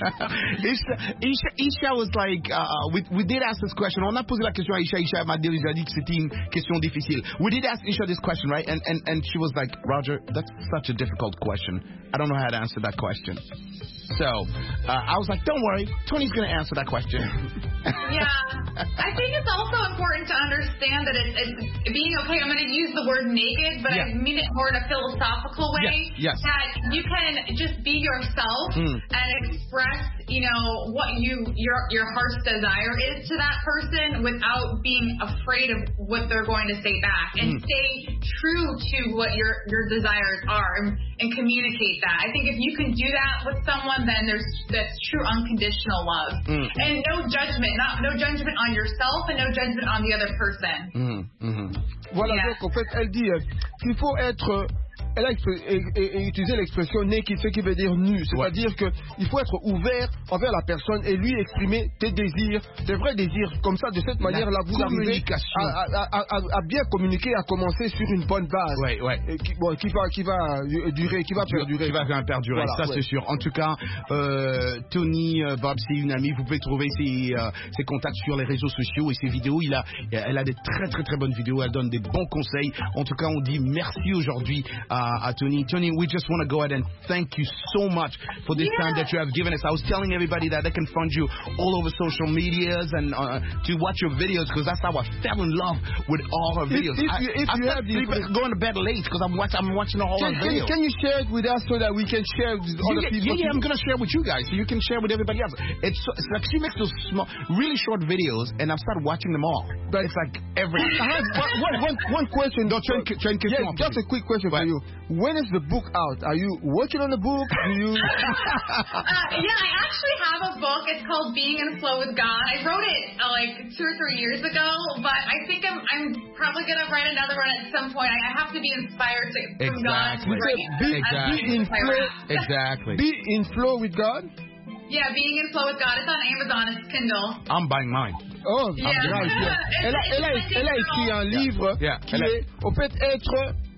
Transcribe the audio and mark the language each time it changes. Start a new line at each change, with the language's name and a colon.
English: Isha was like, we did ask this question.
French: On a posé la question à Isha. Isha m'a dit que c'était une question difficile.
English: We did ask Isha this question, right? And she was like, Roger, that's such a difficult question. I don't know how to answer that question. So I was like, don't worry, Tony's going to answer that question. Yeah. I think it's also important to understand that it's being okay. I'm going to use the word naked, but I mean it more in a philosophical way. Yes. That you can just be yourself and express you know, what you your heart's desire is to that person without being afraid of what they're going to say back, and stay true to what your desires are, and communicate that. I think if you can do that with someone, then that's true unconditional love. And no judgment, no judgment on yourself, and no judgment on the other person.
French: Voilà, yeah. Donc en fait, elle dit qu'il faut être... Elle a utilisé l'expression « naked », ce qui veut dire « nu ». C'est-à-dire qu'il faut être ouvert envers la personne et lui exprimer tes désirs, tes vrais désirs. Comme ça, de cette manière-là, vous arrivez à bien communiquer, à commencer sur une bonne base. Ouais, ouais. Et qui va perdurer. Qui va bien perdurer, voilà, ça c'est sûr. En tout cas, Tony Bob, c'est une amie. Vous pouvez trouver ses contacts sur les réseaux sociaux et ses vidéos. Elle a des très, très, très bonnes vidéos. Elle donne des bons conseils. En tout cas, on dit merci aujourd'hui à Tony.
English: Tony, we just want to go ahead and thank you so much for this time that you have given us. I was telling everybody that they can find you all over social medias and to watch your videos, because that's how I fell in love with all her videos. I'm going to bed late because I'm watching all her videos. Can you share it with us so that we can share with other people? Yeah, I'm going to share with you guys so you can share with everybody else. It's like she makes those small, really short videos, and I've started watching them all. But it's like every... one question. Just a quick question for you. When is the book out? Are you working on the book? I actually have a book. It's called Being in Flow with God. I wrote it like 2 or 3 years ago, but I think I'm probably going to write another one at some point. I have to be inspired from God. Be in flow with God? Yeah, Being in Flow with God. It's on Amazon. It's Kindle. I'm buying mine.
French: Oh, elle a écrit un livre qui est, au fait, être...